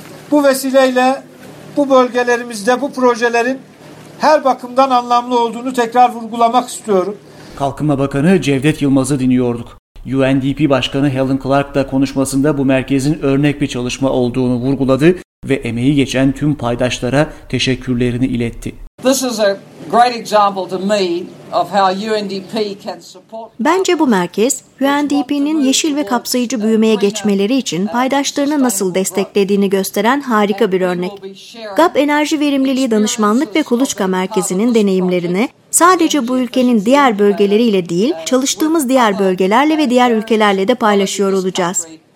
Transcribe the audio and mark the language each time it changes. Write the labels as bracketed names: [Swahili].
[Turkish] Bu vesileyle bu bölgelerimizde bu projelerin her bakımdan anlamlı olduğunu tekrar vurgulamak istiyorum. Kalkınma Bakanı Cevdet Yılmaz'ı dinliyorduk. UNDP Başkanı Helen Clark da konuşmasında bu merkezin örnek bir çalışma olduğunu vurguladı ve emeği geçen tüm paydaşlara teşekkürlerini iletti. [English] This is a great example to me of how UNDP can support. [Turkish] Bence bu merkez UNDP'nin yeşil ve kapsayıcı büyümeye geçmeleri için paydaşlarını nasıl desteklediğini gösteren harika bir örnek. GAP Enerji Verimliliği Danışmanlık ve Kuluçka Merkezi'nin deneyimlerini sadece bu ülkenin diğer bölgeleriyle değil, çalıştığımız diğer bölgelerle ve diğer ülkelerle de paylaşıyor olacağız.